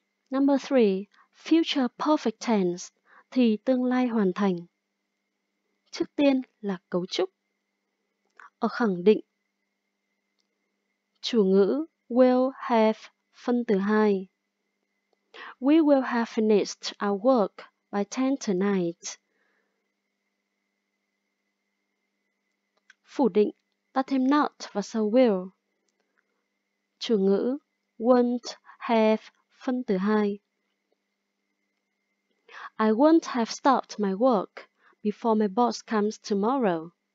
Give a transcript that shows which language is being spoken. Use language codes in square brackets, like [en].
[en] Number 3. Future perfect tense [vi] thì tương lai hoàn thành. Trước tiên là cấu trúc. Ở khẳng định, chủ ngữ will have phân từ 2. [en] We will have finished our work by 10 tonight. [vi] Phủ định, ta thêm not và sau will. Chủ ngữ won't have phân từ 2. [en] I won't have stopped my work before my boss comes tomorrow.